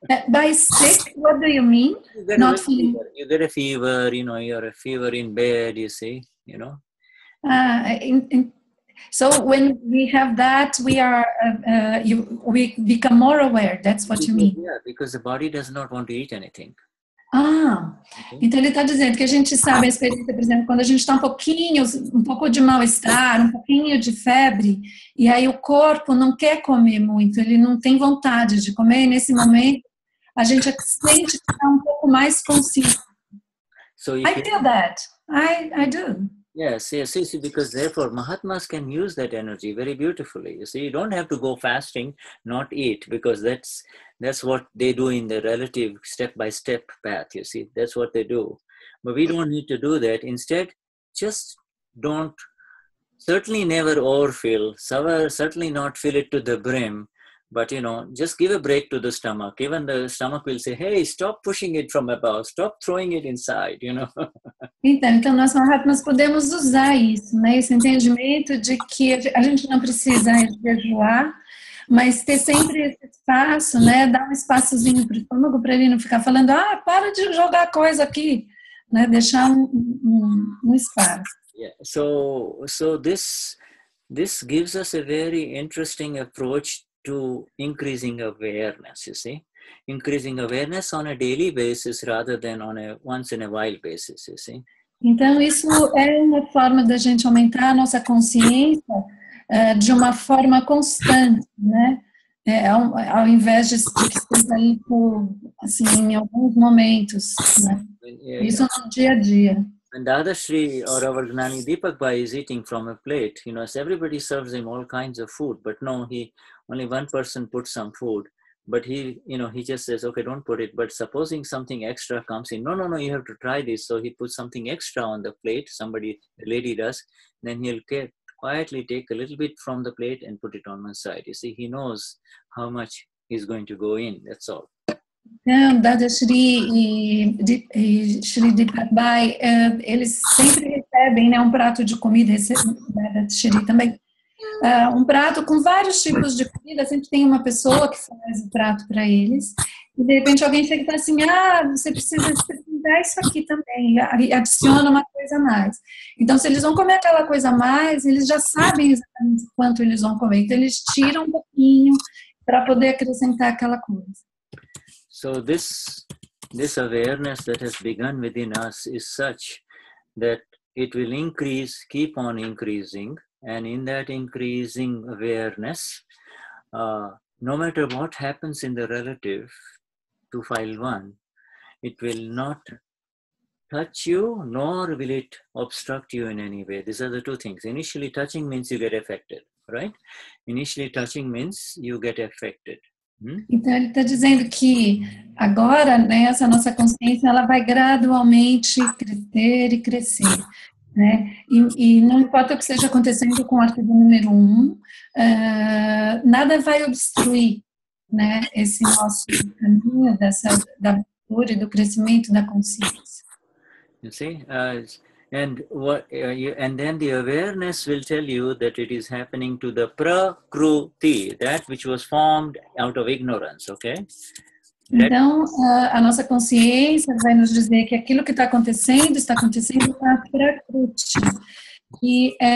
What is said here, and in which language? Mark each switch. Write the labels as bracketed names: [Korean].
[English] By sick, what do you mean? Not feeling. You get a fever. You know, you are a fever in bed. You see. You know, so when we have that, we are we become more aware. That's what because, you mean. Yeah, because the body does not want to eat anything. Ah, okay. [Portuguese] Então ele está dizendo que a gente sabe a experiência, por exemplo, quando a gente está um pouco de mal estar, um pouquinho de febre, e aí o corpo não quer comer muito, ele não tem vontade de comer. E nesse momento, a gente sente que está um pouco mais consciente. [English] So I feel that. I do. Yes, yes, yes, because therefore Mahatmas can use that energy very beautifully. You see, you don't have to go fasting, not eat, because that's what they do in the relative step-by-step path, you see. That's what they do. But we don't need to do that. Instead, just don't, certainly never overfill, certainly not fill it to the brim, but, you know, just give a break to the stomach. Even the stomach will say, hey, stop pushing it from above. Stop throwing it inside, you know. [Portuguese] Então, nós Mahatmas podemos usar isso, né? Esse entendimento de que a gente não precisa jejuar, mas ter sempre esse espaço, né? Dar um espaçozinho para o estômago para ele não ficar falando, ah, para de jogar coisa aqui, né? Deixar um espaço. [English] Yeah. So this gives us a very interesting approach to increasing awareness, you see. Increasing awareness on a daily basis rather than on a once in a while basis, you see. [Portuguese] Então, isso é uma forma da gente aumentar a nossa consciência de uma forma constante, né? Ao invés de estar aí por, assim, em alguns momentos, né? [English] Yeah, [Portuguese] isso [English] yeah. [Portuguese] No dia a dia. [English] When Dadashri or our Gnani Deepak Bhai is eating from a plate, you know, everybody serves him all kinds of food, but no, he, only one person puts some food, but he, you know, he just says, okay, don't put it, but supposing something extra comes in, no, you have to try this, so he puts something extra on the plate, somebody, the lady does, then he'll get, quietly take a little bit from the plate and put it on one side. You see, he knows how much he's going to go in, that's all. [Portuguese] Então, Dadashri e Shri Deepak Bhai, eles sempre recebem, né, um prato de comida, Dadashri também, um prato com vários tipos de comida, sempre tem uma pessoa que faz o prato para eles, e de repente alguém chega e fala assim, ah, você precisa experimentar isso aqui também, adiciona uma coisa a mais. Então, se eles vão comer aquela coisa a mais, eles já sabem exatamente quanto eles vão comer, então eles tiram um pouquinho para poder acrescentar aquela coisa. [English] So this awareness that has begun within us is such that it will increase, keep on increasing, and in that increasing awareness, no matter what happens in the relative to file one, it will not touch you, nor will it obstruct you in any way. These are the two things. Initially touching means you get affected, right? Initially touching means you get affected. [Portuguese] Então ele está dizendo que agora, né, essa nossa consciência ela vai gradualmente crescer e crescer, né? E não importa o que esteja acontecendo com o artigo número 1, nada vai obstruir, né, esse nosso caminho dessa, da cura e do crescimento da consciência. [English] You see? And then the awareness will tell you that it is happening to the prakruti, that which was formed out of ignorance, okay? [Portuguese] Então, a nossa consciência vai nos dizer que aquilo que está acontecendo na prakruti.